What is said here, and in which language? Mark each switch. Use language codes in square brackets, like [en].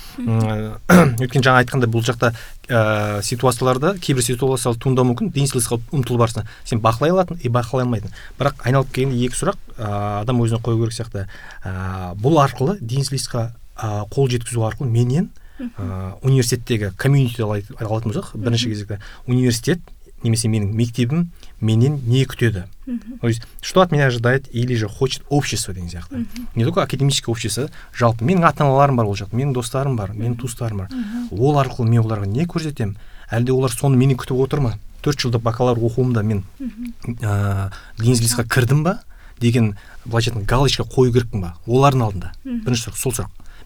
[kk] Өткен жаңа айтқанда, бұл жақта ситуацияларда, кейбір ситуациялар туындауы мүмкін, денсліс-қа ұмтылу барысында сен бақылай алатын, и бақылай алмайтын. Бірақ айналып келгенде екі сұрақ адам өзіне қою керек сияқты. Бұл арқылы денсліс-қа қол жеткізу арқылы менен университеттегі комьюнити алатын болсақ, бірінші кезекте университет немесе менің мектебім менен не күтеді. [ru] То есть, что от меня ожидает или же хочет общество [kk] деген сияқты. [ru] Не только академическое общество, [kk] жалпы менің ата-аналарым бар ол жақта, менің достарым бар, менің туыстарым бар. Ол арқылы мен оларға не көрсетем? Әлде олар соны менен күтіп отыр ма? 4 жылда бакалавр оқуымда мен денсліс-қа кірдім ба? Деген былайша галочка қою керекпін ба? Олардың алдында. Бірінші сұрақ, сол сұрақ.